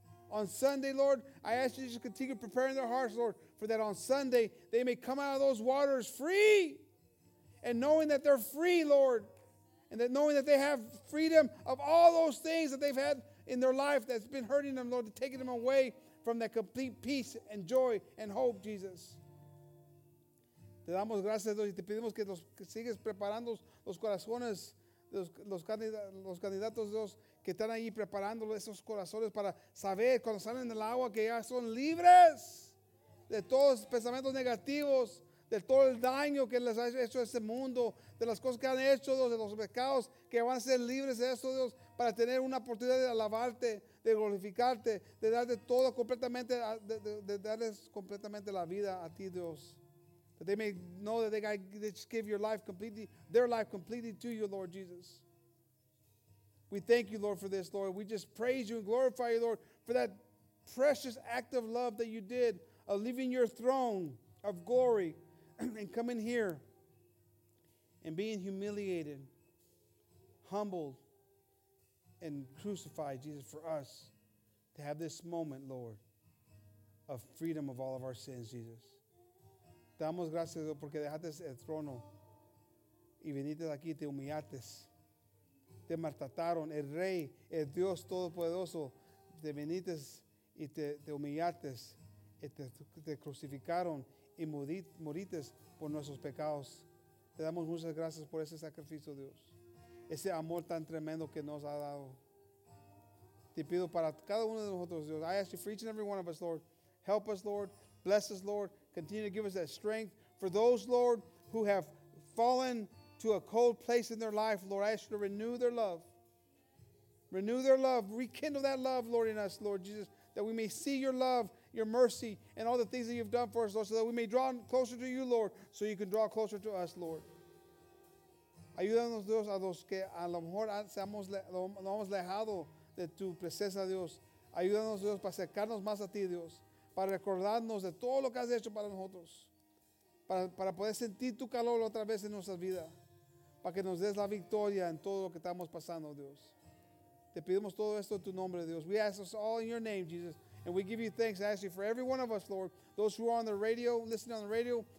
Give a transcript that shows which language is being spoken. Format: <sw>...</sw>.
<en>On Sunday, Lord, I ask you to just continue preparing their hearts, Lord, for that on Sunday they may come out of those waters free. And knowing that they're free, Lord, and that knowing that they have freedom of all those things that they've had in their life that's been hurting them, Lord, to take them away from that complete peace and joy and hope, Jesus.</en> <es>Te damos gracias, Dios, y te pedimos que los que sigues preparando los corazones, los candidatos, Dios, que están ahí preparando esos corazones para saber cuando salen del agua que ya son libres de todos los pensamientos negativos, de todo el daño que les ha hecho este mundo, de las cosas que han hecho, Dios, de los pecados, que van a ser libres de eso, Dios, para tener una oportunidad de alabarte, de glorificarte, de darte todo completamente, de darles completamente la vida a ti, Dios.</es> <en>That they may know that they just give your life completely, their life completely to you, Lord Jesus. We thank you, Lord, for this, Lord. We just praise you and glorify you, Lord, for that precious act of love that you did of leaving your throne of glory and coming here and being humiliated, humbled, and crucified, Jesus, for us to have this moment, Lord, of freedom of all of our sins, Jesus.</en> <es>Te damos gracias, Dios, porque dejaste el trono y viniste aquí y te humillaste. Te maltrataron. El Rey, el Dios Todopoderoso, te viniste y te humillaste. Te crucificaron y moriste por nuestros pecados. Te damos muchas gracias por ese sacrificio, Dios. Ese amor tan tremendo que nos ha dado. Te pido para cada uno de nosotros, Dios.</es> <en>I ask you for each and every one of us, Lord. Help us, Lord. Bless us, Lord. Continue to give us that strength for those, Lord, who have fallen to a cold place in their life, Lord. I ask you to renew their love. Renew their love. Rekindle that love, Lord, in us, Lord Jesus, that we may see your love, your mercy, and all the things that you've done for us, Lord, so that we may draw closer to you, Lord, so you can draw closer to us, Lord.</en> <es>Ayúdanos, Dios, a los que a lo mejor seamos lo hemos alejado de tu presencia, Dios. Ayúdanos, Dios, para acercarnos más a ti, Dios. Para recordarnos de todo lo que has hecho para nosotros. Para poder sentir tu calor otra vez en nuestras vidas. Para que nos des la victoria en todo lo que estamos pasando, Dios. Te pedimos todo esto en tu nombre, Dios.</es> <en>We ask us all in your name, Jesus. And we give you thanks. I ask you for every one of us, Lord. Those who are on the radio, listening on the radio.</en>